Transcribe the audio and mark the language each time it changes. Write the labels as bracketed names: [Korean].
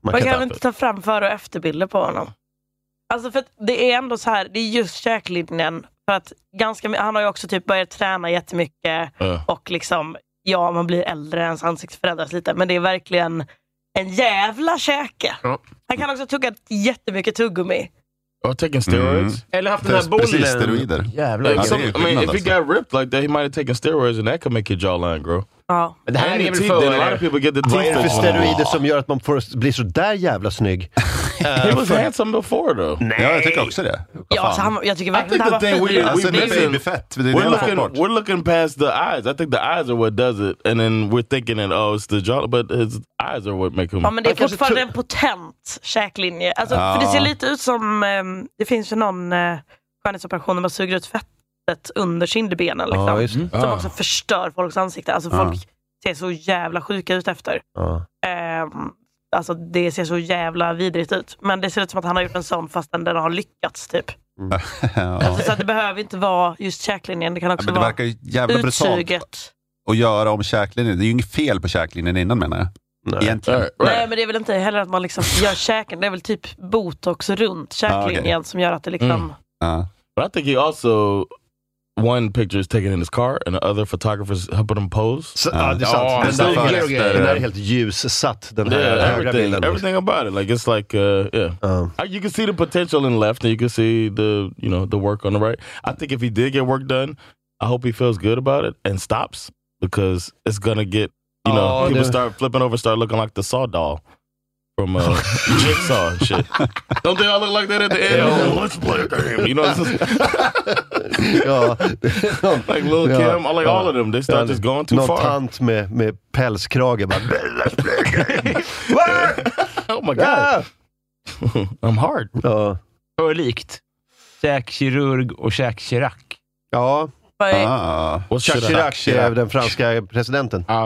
[Swedish] man kan inte ta fram för- och efterbilder på honom. Alltså för att det är ändå så här, det är just käklinjen. För att ganska, han har ju också typ börjat träna jättemycket. Och liksom ja, man blir äldre, ens ansikt förändras lite, men det är verkligen en jävla käke. Mm. Han kan också tugga jättemycket tuggummi. Jag har tagit steroids. Mm. Eller haft den här bollen. Precis, steroider. Jävlar. Ja, [English] I mean, if he got ripped like that, he might have taken steroids and that could make your jawline grow. [Swedish] Ja. Men det här är väl för... [English] A lot of people get the teeth. [Swedish] Vad är det för steroider som gör att man får bli så där jävla snygg? [English] He was handsome before though. [Swedish] Nej. Ja, jag tycker också det. Ja, alltså, han, jag tycker verkligen att han var fett. Alltså, det är babyfett. [English] We're looking past the eyes. I think the eyes are what does it. And then we're thinking that, oh, it's the jawline. But his eyes are what make him... [Swedish] Ja, men det är fortfarande en potent käklinje. Alltså, ja. För det ser lite ut som... det finns ju någon skönhetsoperation där man suger ut fettet under kinderbenen. Liksom, ja, som ja. Också förstör folks ansikte. Alltså, folk ja. Ser så jävla sjuka ut efter. Ja. Alltså det ser så jävla vidrigt ut. Men det ser ut som att han har gjort en sån fast den har lyckats typ. Mm. Ja. Alltså, så det behöver inte vara just käklinjen. Det kan också ja, det verkar jävla utsuget. Att göra om käklinjen. Det är ju inget fel på käklinjen innan menar jag. Nej, men det är väl inte heller att man liksom gör käken. Det är väl typ botox runt käklinjen ah, okay. som gör att det liksom... [English] But I think he also... One picture is taken in his car and the other photographers helping him pose. [Swedish] Den är helt ljussatt den här bilden. [English] Everything about it, like it's like you can see the potential in left and you can see the, you know, the work on the right. I think if he did get work done, I hope he feels good about it and stops because it's gonna get, you know, people start flipping over, start looking like the Saw doll. From Jigsaw and shit. Don't they all look like that at the end? Yeah, let's play a game. You know what I'm saying? Like Lil' Kim, I like all of them. They start just going too far. [Swedish] Någon tant med pälskrage. [English] Let's play a game. Oh my god. I'm hard. [Swedish] Hör likt. Käkkirurg och käkkirack. Ja. Ah, Jacques Chirac, den franska presidenten